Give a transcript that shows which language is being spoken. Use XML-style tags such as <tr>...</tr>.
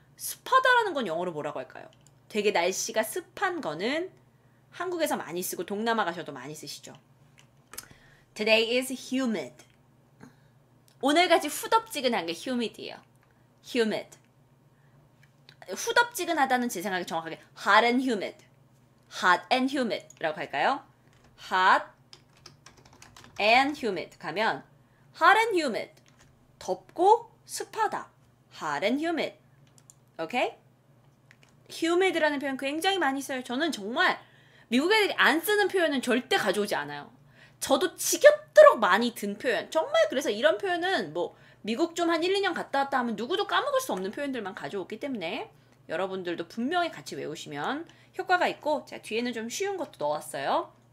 <ko>습하다라는 건 영어로 뭐라고 할까요? 되게 날씨가 습한 거는 한국에서 많이 쓰고 동남아 가셔도 많이 쓰시죠.</ko> <en>Today is humid.</en> <ko>오늘같이 후덥지근한 게 humid이에요. Humid. 후덥지근하다는 제 생각에 정확하게 hot and humid.</ko> <en>hot and humid 라고 할까요? hot and humid 가면 hot and humid 덥고 습하다. hot and humid. okay?</en> <ko>humid라는 표현 굉장히 많이 써요. 저는 정말 미국 애들이 안 쓰는 표현은 절대 가져오지 않아요. 저도 지겹도록 많이 든 표현. 정말 그래서 이런 표현은 뭐 미국 좀 한 1, 2년 갔다 왔다 하면 누구도 까먹을 수 없는 표현들만 가져오기 때문에 여러분들도 분명히 같이 외우시면 효과가 있고 제가 뒤에는 좀 쉬운 것도 넣었어요.</ko>